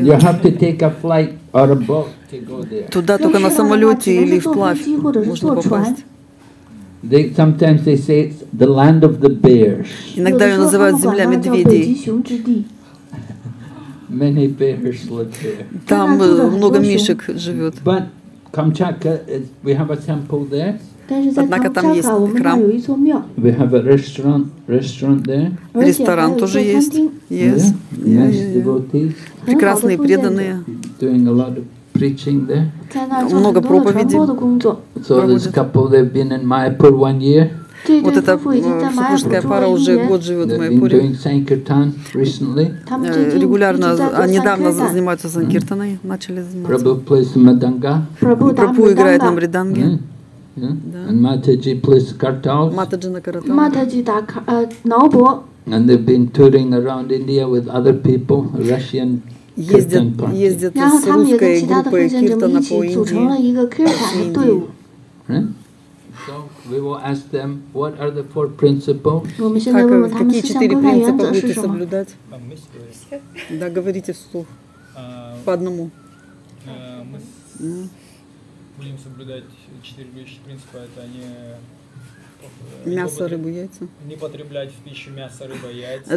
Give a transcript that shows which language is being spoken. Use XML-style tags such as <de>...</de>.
<en>You have to take a flight or a boat to go there.</en> <ru>Туда только на самолете или вплавь можно попасть.</ru> <en>They sometimes they say it's the land of the bears.</en> <ru>Иногда ее называют земля медведей.</ru> <en>Many bears live there.</en> <ru>Там много мишек живет.</ru> <en>But Kamchatka, we have a temple there.</en> <ru>Однако там есть храм.</ru> <en>We have a restaurant there.</en> <ru>Ресторан тоже есть.</ru> <en>Yes, devotees.</en> <ru>Прекрасные преданные.</ru> <en>Doing a lot of preaching there.</en> <ru>Много проповедей.</ru> <en>So this couple, they've been in Mayapur 1 year.</en> <ru>Вот эта супружеская пара уже год живет в Майпуре.</ru> <en>They've been doing Sankirtan recently.</en> <ru>Регулярно, недавно занимаются Санкиртаной, начали заниматься.</ru> <en>Prabhu plays the Madanga.</en> <ru>Прабху играет на мриданге.</ru> <en>And Mataji plays Kartals.</en> <ru>Матаджи на Картал. Матаджи так, наобо.</ru> <en>And they've been touring around India with other people, Russian.</en> <ru>Ездят с русской группой киртана по Индии.</ru> <en>So we will ask them, what are the four principles?</en> <ru>Какие четыре принципа будете соблюдать? Да, говорите вслух. По одному. Мы будем соблюдать четыре вещи принципа. Это не... Мясо, рыбу, яйца. Не потреблять в пищу мясо, рыба, яйца.</ru>